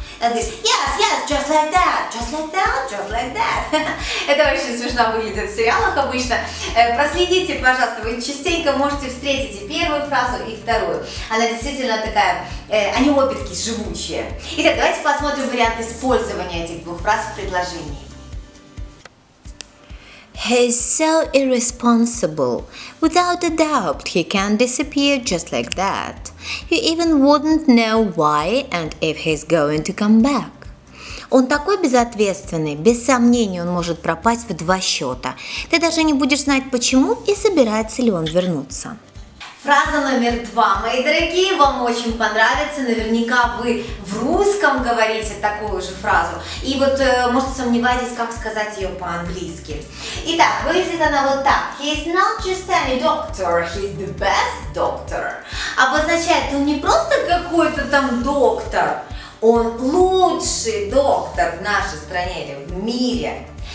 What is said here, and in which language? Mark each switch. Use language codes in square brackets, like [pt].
[ru] Она говорит, [en] yes, yes, just like that, just like that, just like that. [ru] Это очень смешно выглядит в сериалах обычно. Проследите, пожалуйста, вы частенько можете встретить и первую фразу, и вторую. Она действительно такая, они обе такие живучие. Итак, давайте посмотрим вариант использования этих двух фраз в предложении. [en] He's so irresponsible. Without a doubt, he can disappear just like that. You even wouldn't know why and if he's going to come back. [ru] Он такой безответственный, без сомнений он может пропасть в два счета. Ты даже не будешь знать почему и собирается ли он вернуться. Фраза номер два, мои дорогие, вам очень понравится. Наверняка вы в русском говорите такую же фразу. И вот, может, сомневаетесь, как сказать ее по-английски. Итак, выглядит она вот так. [en] He's not just any doctor, he's the best doctor. [ru] Обозначает, он не просто какой-то там доктор, он лучший доктор в нашей стране или в мире.